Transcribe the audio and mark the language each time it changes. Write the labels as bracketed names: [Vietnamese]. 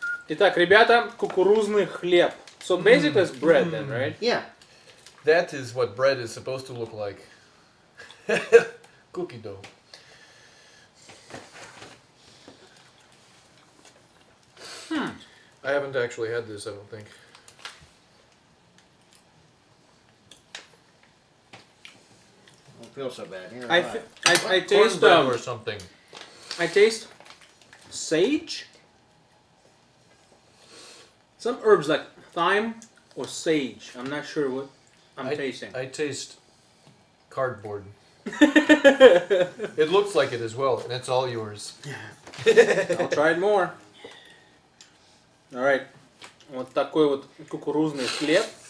[Russian] Итак, ребята, кукурузный хлеб. [English] So basically it's bread then, right? Yeah. That is what bread is supposed to look like. Cookie dough. I haven't actually had this, I don't think. I don't feel so bad. I taste or something. I taste sage. Some herbs like thyme or sage. I'm not sure what I'm tasting. I taste cardboard. It looks like it as well, and it's all yours. Yeah. I'll try it more. Alright. [Russian] Вот такой вот кукурузный хлеб.